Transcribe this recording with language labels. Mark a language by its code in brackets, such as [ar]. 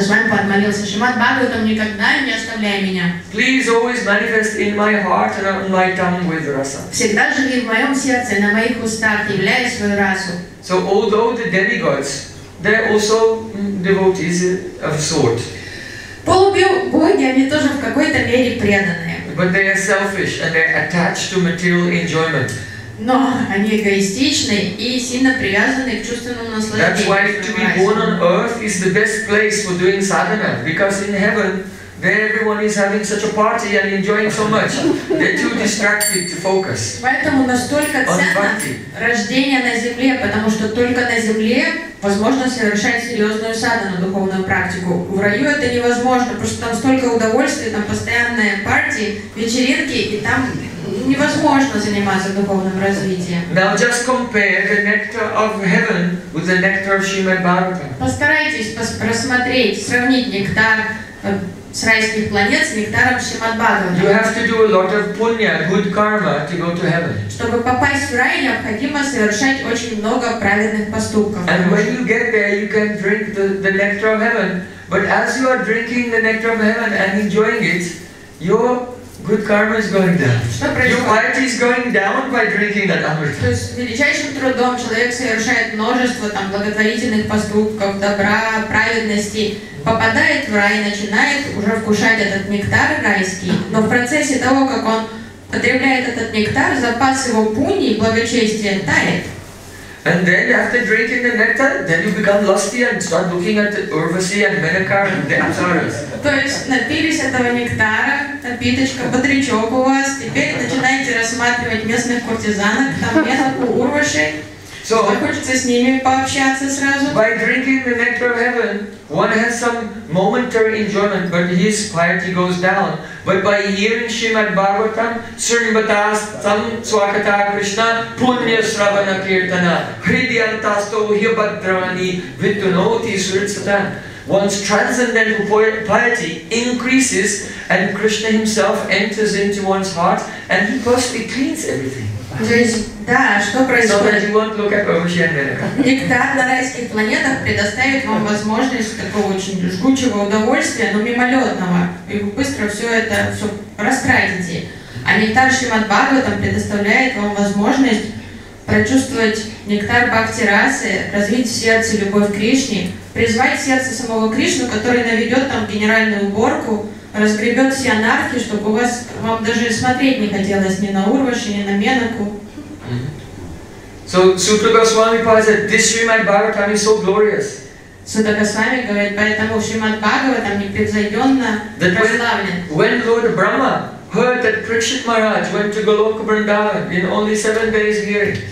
[ru] с вами подмолился, Шримад Бхагаватам, никогда не оставляй меня. [en] Please always manifest in my heart and on my tongue with rasa. [ru] Всегда живи в моем сердце, на моих устах, являя свою расу. [en] So although the demigods, they're also devotees of sort. [ru] Полубоги, они тоже в какой-то мере преданные. [en] But they are selfish and they are attached to material enjoyment. [ru] Но они эгоистичны и сильно привязаны к чувственному наслаждению. [en] That's why to be born on earth is the best place for doing sadhana, because in heaven, there everyone is having such a party and enjoying so much. They're too distracted to focus. [ru] Поэтому настолько ценно рождение на земле, потому что только на земле возможно совершать серьезную садхану, духовную практику. В раю это невозможно, потому что там столько удовольствия, там постоянные партии, вечеринки, и там невозможно заниматься духовным развитием. [en] Now just compare the nectar of heaven with the nectar of Srimad Bhagavatam. [ru] Постарайтесь просмотреть, сравнить нектар с райских планет с нектаром Шримад Бхагаватам. [en] You have to do a lot of punya, good karma, to go to heaven. [ru] Чтобы попасть в рай, необходимо совершать очень много праведных поступков. [en] And when you get there, you can drink the nectar of heaven. But as you are drinking the nectar of heaven and enjoying it, your good karma is going down. [ru] Что происходит? [en] Your piety is going down by drinking that amrita. [ru] То есть величайшим трудом человек совершает множество там благотворительных поступков, добра, праведности. Попадает в рай, начинает уже вкушать этот нектар райский, но в процессе того, как он потребляет этот нектар, запас его пуни и благочестия тает. [en] And then after drinking the nectar, then you become lusty and start looking at the Urvasi and Menakar and the Asaras. [ru] То есть напились этого нектара, напиточка, бодрячок у вас, теперь начинаете рассматривать местных куртизанок, там Менаку, Урваши. [en] So, [ru] хочется с ними пообщаться сразу. [en] By drinking the nectar of heaven, one has some momentary enjoyment, but his piety goes down. But by hearing Srimad Bhagavatam, [sa] Srimatas Tam Swakata Krishna, Punya Sravana Kirtana, Hridyantasto Hyabhadravani, Vitunoti Suritsata, [en] one's transcendental piety increases and Krishna himself enters into one's heart and he firstly cleans everything. [ru] То есть, да, что происходит? Нектар на райских планетах предоставит вам возможность такого очень жгучего удовольствия, но мимолетного, и вы быстро все это растратите. А нектар Шримад Бхагаватам предоставляет вам возможность прочувствовать нектар бхакти-расы, развить в сердце любовь к Кришне, призвать в сердце самого Кришну, который наведет там генеральную уборку, разгребет все анархии, чтобы вам даже смотреть не хотелось ни на Урваши, ни на Менаку. [en] So Sutta Goswami said, this Srimad Bhagavatam is so glorious. [ru] Sutta Goswami говорит, поэтому Шримад Бхагаватам непревзойденно прославлен. [en] When Lord Brahma heard that Krishna Maharaj went to Goloka Vrindavan in only 7 days here.